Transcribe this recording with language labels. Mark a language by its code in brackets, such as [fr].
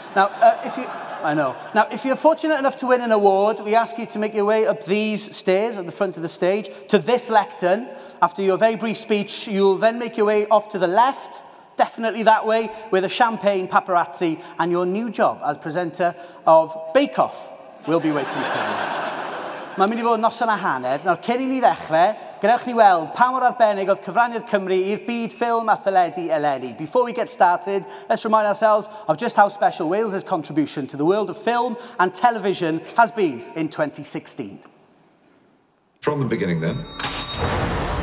[en] Now, if you're fortunate enough to win an award, we ask you to make your way up these stairs at the front of the stage to this lectern. After your very brief speech, you'll then make your way off to the left, definitely that way, with a champagne paparazzi and your new job as presenter of Bake Off will be waiting for you. [cy] Mae'n mynd i fod noson a hanner. Nawr, cyn i ni ddechrau, gadewch ni weld pa mor arbennig oedd cyfraniad Cymru i'r byd ffilm a thyledu eleni. [en] Before we get started, let's remind ourselves of just how special Wales' contribution to the world of film and television has been in 2016. From the beginning, then.